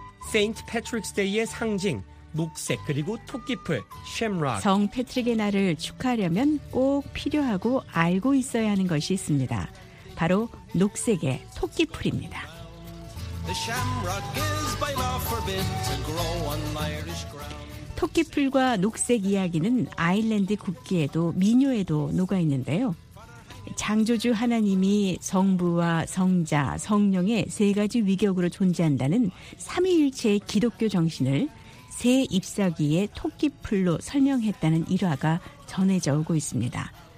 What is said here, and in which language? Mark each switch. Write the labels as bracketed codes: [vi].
[ko] 세인트 패트릭스 데이의 상징, 녹색 그리고 토끼풀, 쉼락. 성 패트릭의 날을 축하하려면 꼭 필요하고 알고 있어야 하는 것이 있습니다. 바로 녹색의 토끼풀입니다. [en] The shamrock is by law forbid to grow on Irish ground. [ko] 토끼풀과 녹색 이야기는 아일랜드 국기에도 민요에도 녹아 있는데요. 창조주 하나님이 성부와 성자, 성령의 세 가지 위격으로 존재한다는 삼위일체의 기독교 정신을 새 잎사귀의 토끼풀로 설명했다는 일화가 전해져 오고 있습니다.